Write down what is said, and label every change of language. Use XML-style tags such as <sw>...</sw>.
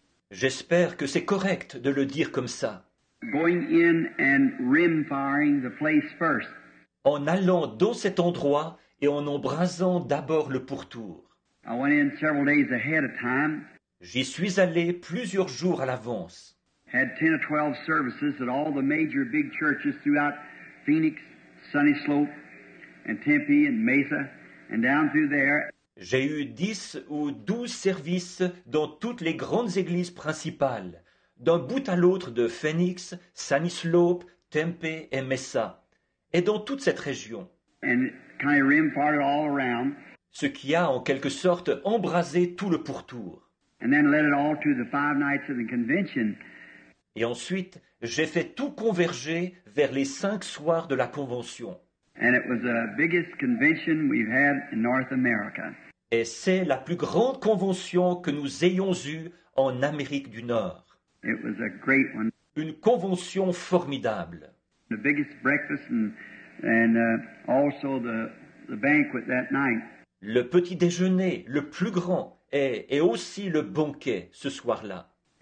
<fr>J'espère que c'est correct de le dire comme ça.</fr> <en>Going in and rim-firing the place first.</en> <fr>En allant dans cet endroit et en embrasant d'abord le pourtour.</fr> <en>I went in several days ahead of time.</en> <fr>J'y suis allé plusieurs jours à l'avance.</fr> <en>Had 10 or 12 services at all the major big churches throughout Phoenix, Sunny Slope, and Tempe, and Mesa, and down through there.</en> <fr>J'ai eu 10 ou 12 services dans toutes les grandes églises principales, d'un bout à l'autre de Phoenix, Sunny Slope, Tempe et Mesa, et dans toute cette région.</fr> <en>And kind of rim-farted all around.</en> <fr>Ce qui a en quelque sorte embrasé tout le pourtour.</fr> <en>And then led it all to the five nights of the convention.</en> <fr>Et ensuite, j'ai fait tout converger vers les 5 soirs de la convention.</fr> <en>And it was the biggest convention we've had in North America.</en> <fr>Et c'est la plus grande convention que nous ayons eue en Amérique du Nord.</fr> <en>It was a great one.</en> <fr>Une convention formidable.</fr> <en>The biggest breakfast and also the banquet that night.</en> <fr>Le petit déjeuner, le plus grand, et aussi le banquet ce soir-là.</fr>